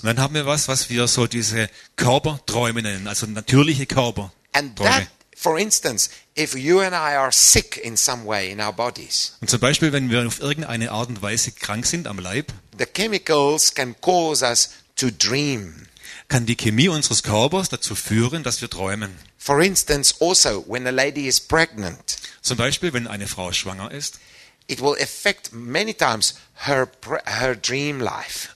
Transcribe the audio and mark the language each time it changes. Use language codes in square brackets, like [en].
[de] Und dann haben wir was wir so diese Körperträume nennen, also natürliche Körperträume. [en] And that, for instance, if you and I are sick in some way in our bodies. [de] Und zum Beispiel, wenn wir auf irgendeine Art und Weise krank sind am Leib. [en] The chemicals can cause us to dream. [de] Kann die Chemie unseres Körpers dazu führen, dass wir träumen. [en] For instance, also when a lady is pregnant. [de] Zum Beispiel, wenn eine Frau schwanger ist. [en] It will affect many times her dream life.